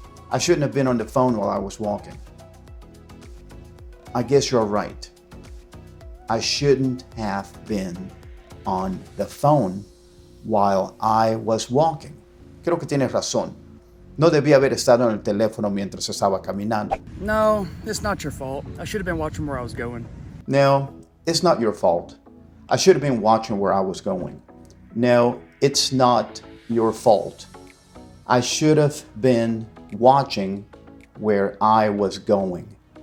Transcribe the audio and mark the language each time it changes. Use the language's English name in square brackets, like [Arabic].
[English] I shouldn't have been on the phone while I was walking. I guess you're right. I shouldn't have been on the phone while I was walking. [Spanish] Creo que tienes razón. No debí haber estado en el teléfono mientras estaba caminando. [English] No, it's not your fault. I should have been watching where I was going. No, it's not your fault. I should have been watching where I was going. No, it's not your fault. I should have been watching where I was going.